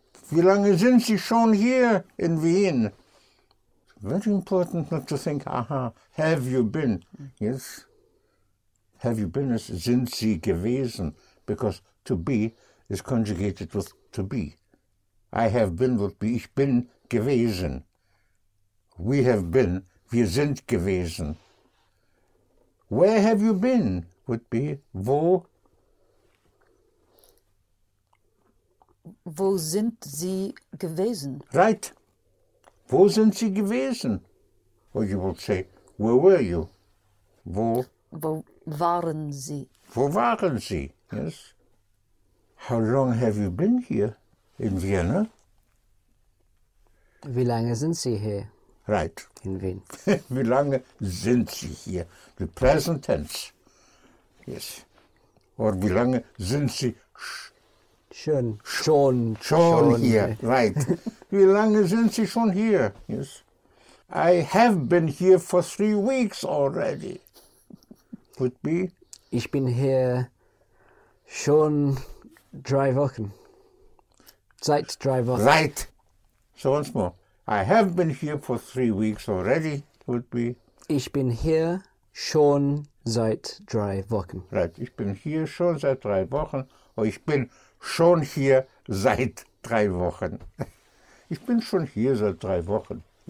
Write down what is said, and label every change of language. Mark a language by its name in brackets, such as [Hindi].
[German] Wie lange sind Sie schon hier in Wien? [English] Very important not to think, have you been? Yes. Have you been is [German] sind Sie gewesen? [English] Because to be is conjugated with to be. I have been would be, [German] ich bin gewesen. [English] We have been, [German] wir sind gewesen. [English] Where have you been would be, wo? [German] Wo sind Sie gewesen? Right. Wo sind Sie gewesen? [English] Or you would say, where were you? [German] Wo? Wo waren Sie? Wo waren Sie? Yes. [English] How long have you been here? In Vienna? [German] Wie lange sind Sie hier? [English] Right. [German] In Wien. Wie lange sind Sie hier? [English] The present tense. Yes. [German] Or wie lange sind Sie schon hier? [English] Right. [German] Wie lange sind Sie schon hier? [English] Yes. I have been here for 3 weeks already. Would be? [German] Ich bin hier schon 3 Wochen. Seit 3 Wochen. [English] Right. So once more. I have been here for 3 weeks already, would be. [German] Ich bin hier schon seit 3 Wochen. Right. Ich bin hier schon seit 3 Wochen. Or ich bin schon hier seit 3 Wochen. Ich bin schon hier seit 3 Wochen.